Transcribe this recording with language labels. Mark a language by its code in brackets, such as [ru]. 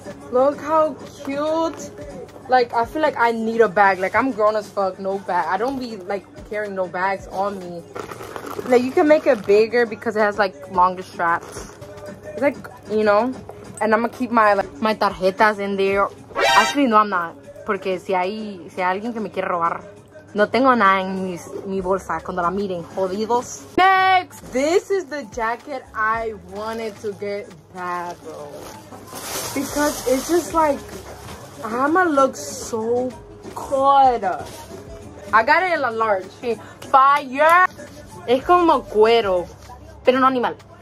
[en] Look how cute. Like, I feel like I need a bag. Like, I'm grown as fuck, no bag. I don't be like carrying no bags on me. Like, you can make it bigger because it has like longer straps. It's like, you know, and I'm gonna keep my like, my tarjetas in there. Actually, no, I'm not. [es] Porque si hay alguien que me quiere robar, no tengo nada en mi bolsa cuando la miren, jodidos. [en] Next, this is the jacket I wanted to get bad, bro. Because it's just like, I'ma look so good. I got it in a large. Fire. Es como cuero, pero no animal.